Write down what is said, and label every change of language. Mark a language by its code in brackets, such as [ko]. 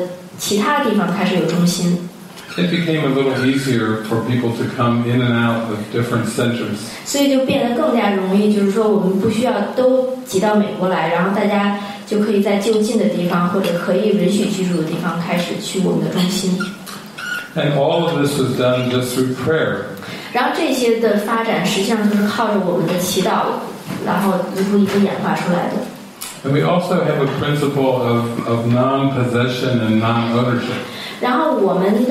[zh] 然后后来就开始更加的向进一步发展，就是我们开始在各国的其他地方开始有中心。 [en] It became a little easier for people to come in and out of different centers. [zh] 所以就变得更加容易，就是说我们不需要都挤到美国来，然后大家就可以在就近的地方或者可以允许居住的地方开始去我们的中心。 [en] And all of this was done just through prayer. [zh] 然后这些的发展实际上就是靠着我们的祈祷，然后一步一步演化出来的。 [en] And we also have a principle of non-possession and non-ownership.